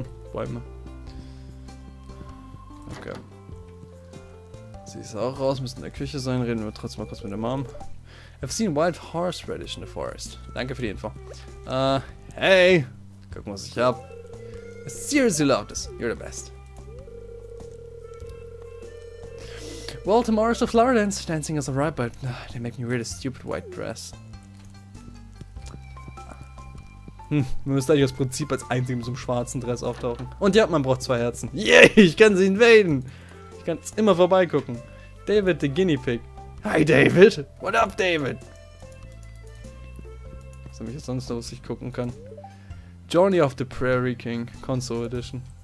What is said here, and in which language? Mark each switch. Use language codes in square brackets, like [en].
[de] Bäume. Okay. Sie ist auch raus, müssen in der Küche sein, reden wir trotzdem mal kurz mit der Mom. [en] I've seen wild horseradish in the forest. [de] Danke für die Info. Hey! Guck mal, was ich hab. [en] I seriously love this. You're the best. Well, tomorrow's the flower dance. Dancing is alright, but they make me wear this stupid white dress. [de] Man müsste eigentlich das Prinzip als einziger mit so einem schwarzen Dress auftauchen. Und ja, man braucht zwei Herzen. Yay! Yeah, ich kann sie invaden! Ich kann es immer vorbeigucken. [en] David, the guinea pig. Hi, David! What up, David? [de] Was habe ich jetzt sonst noch, was ich gucken kann? Journey of the Prairie King, Console Edition.